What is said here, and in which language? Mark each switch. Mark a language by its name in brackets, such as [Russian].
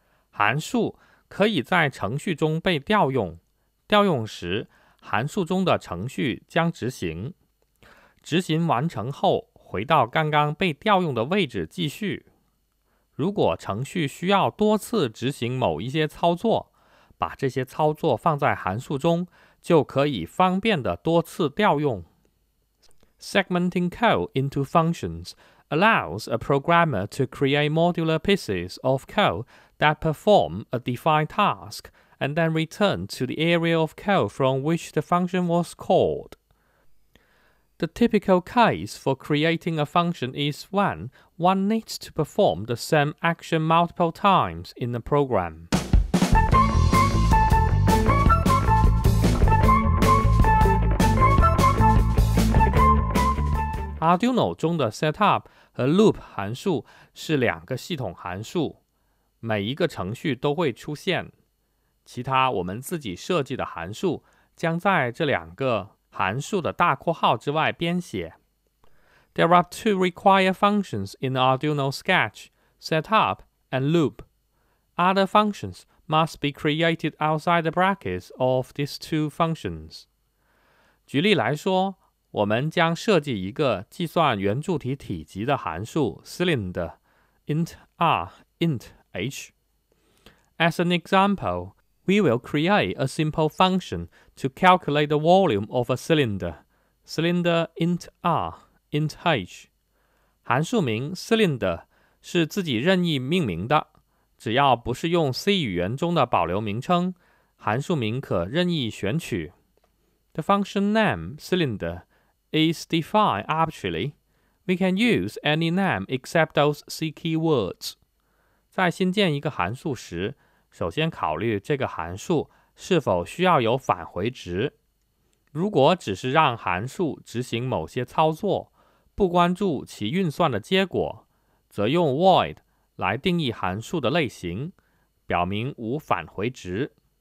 [Chinese] 函数可以在程序中被调用，调用时，函数中的程序将执行。执行完成后，回到刚刚被调用的位置继续。如果程序需要多次执行某一些操作，把这些操作放在函数中，就可以方便的多次调用。 [English] Segmenting code into functions allows a programmer to create modular pieces of code that perform a defined task and then return to the area of code from which the function was called. The typical case for creating a function is when one needs to perform the same action multiple times in a program. [Chinese] Arduino 中的 setup 和 loop 函数是两个系统函数，每一个程序都会出现。其他我们自己设计的函数将在这两个函数的大括号之外编写。 [English] There are two required functions in the Arduino sketch, setup and loop. Other functions must be created outside the brackets of these two functions. [Chinese] 举例来说，我们将设计一个计算圆柱体体积的函数 cylinder, int r, int h. [English] As an example, we will create a simple function to calculate the volume of a cylinder, cylinder int r, int h. [Chinese] 函数名 cylinder 是自己任意命名的，只要不是用 C 语言中的保留名称，函数名可任意选取。 [English] The function name cylinder is defined arbitrarily. We can use any name except those C keywords. [Chinese] 在新建一个函数时，首先考虑这个函数是否需要有返回值。如果只是让函数执行某些操作，不关注其运算的结果，则用 void 来定义函数的类型，表明无返回值。